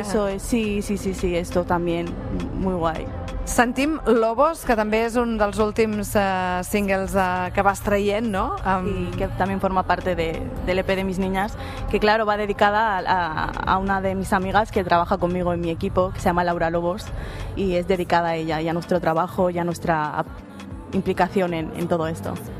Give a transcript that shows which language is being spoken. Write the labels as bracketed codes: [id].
[es] Eso es, sí, esto también, muy guay. [ca] Sentim Lobos, que també és un dels últims singles que vas traient, no? [es] Sí, [ca] que també forma part de l'EP [es] de Mis Niñas, que claro, va dedicada a una de mis amigas que trabaja conmigo en mi equipo, que se llama Laura Lobos, y es dedicada a ella y a nuestro trabajo y a nuestra implicación en todo esto.